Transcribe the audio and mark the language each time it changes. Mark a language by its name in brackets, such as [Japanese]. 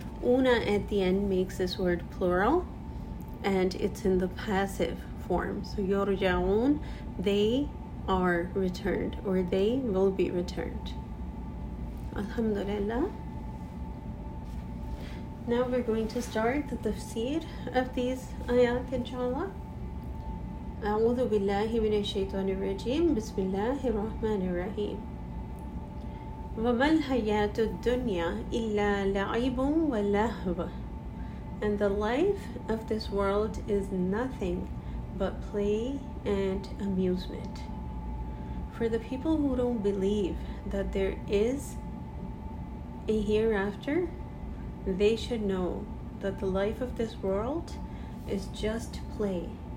[English] Una at the end makes this word plural and it's in the passive form. So yurja'un, they are returned or they will be returned. Alhamdulillah. Now we're going to start the tafsir of these ayat inshallah. [Arabic] أعوذ بالله من الشيطان الرجيم بسم الله الرحمن الرحيم وما الحياة الدنيا إلا لعب ولهو. [English] And the life of this world is nothing but play and amusement. For the people who don't believe that there is a hereafter, they should know that the life of this world is just play.